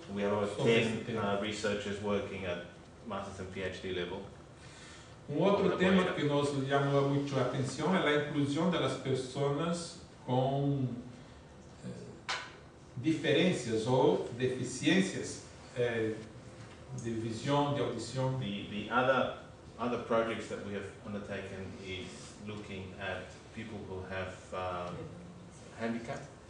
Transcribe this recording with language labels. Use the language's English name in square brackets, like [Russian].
[English] We have over 10 researchers working at master's and PhD level. [Spanish] Un otro tema que nos llamó mucho atención es la inclusión de las personas con diferencias o deficiencias. De vision, de audition. [English] The other projects that we have undertaken is looking at people who have handicap.